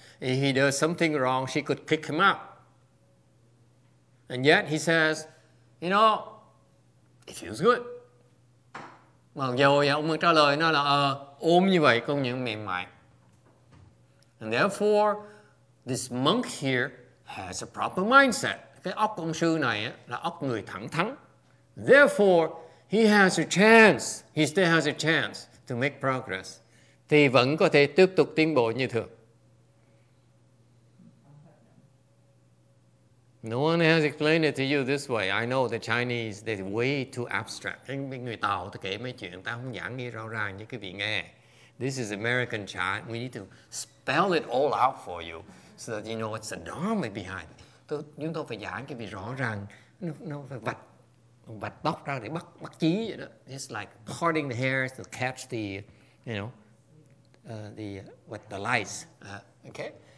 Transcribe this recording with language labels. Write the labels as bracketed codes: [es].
[en] If he does something wrong, she could kick him out. And yet he says, you know, it feels good. [vi] Mặc dù ông trả lời nó là ôm như vậy công nhận mềm mại. [en] And therefore, this monk here has a proper mindset. [vi] Cái óc ông sư này á, là óc người thẳng thắn. [en] Therefore, he has a chance. He still has a chance to make progress. [vi] Thì vẫn có thể tiếp tục tiến bộ như thường. [en] No one has explained it to you this way. I know the Chinese, they're way too abstract. [vi] Người Tàu kể mấy chuyện, ta không giảng nghe rõ ràng như quý vị nghe. [en] This is American Chinese. We need to spell it all out for you so that you know what's the dharma behind it. [vi] Chúng tôi phải giảng cái gì rõ ràng. Nó phải vạch tóc ra để bắt chí vậy đó. [en] It's like parting the hairs to catch the, you know, the lice. Okay?